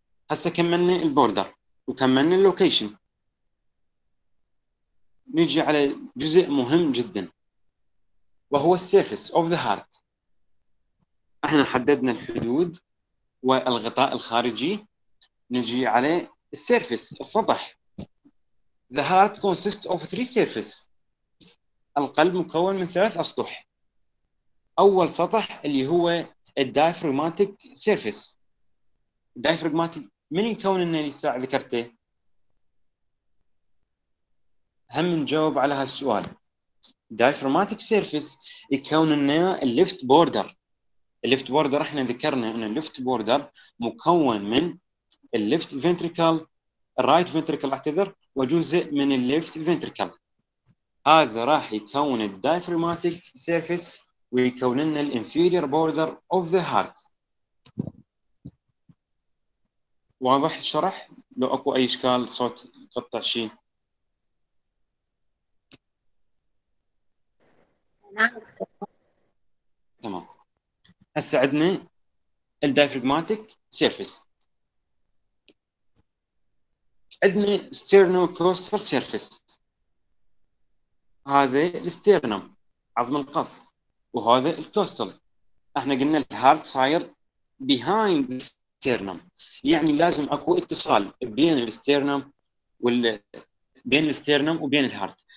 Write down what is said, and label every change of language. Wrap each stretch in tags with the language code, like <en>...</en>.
<ar>هسه كملنا البوردر وكملنا اللوكيشن، نجي على جزء مهم جدا وهو السيرفس</ar> <en>of the heart.</en> <ar>احنا حددنا الحدود والغطاء الخارجي، نجي على السيرفس السطح.</ar> <en>The heart consists of three surfaces.</en> <ar>القلب مكون من ثلاث أسطح. أول سطح اللي هو الدايفراغماتيك سيرفيس. الدايفراغماتيك من يكون لنا اللي ساعة ذكرته؟ هم نجاوب على هالسؤال. الدايفراغماتيك سيرفيس يكون لنا الليفت بوردر. الليفت بوردر احنا ذكرنا ان الليفت بوردر مكون من الليفت فنتريكل، الرايت فنتريكل اعتذر، وجزء من الليفت فنتريكل. هذا راح يكون الدايفراغماتيك سيرفيس ويكون لنا الانفيريور بوردر اوف ذا هارت. واضح الشرح؟ لو اكو اي اشكال صوت قطع شيء. تمام. هسه عندنا الدايفراغماتيك سيرفيس. عندنا sternocostal surface. هذا الستيرنم عظم القص، وهذا الكوستل. احنا قلنا الهارت صاير</ar> <en>behind the sternum،</en> <ar>يعني لازم اكو اتصال بين الستيرنم بين الستيرنم وبين الهارت.</ar>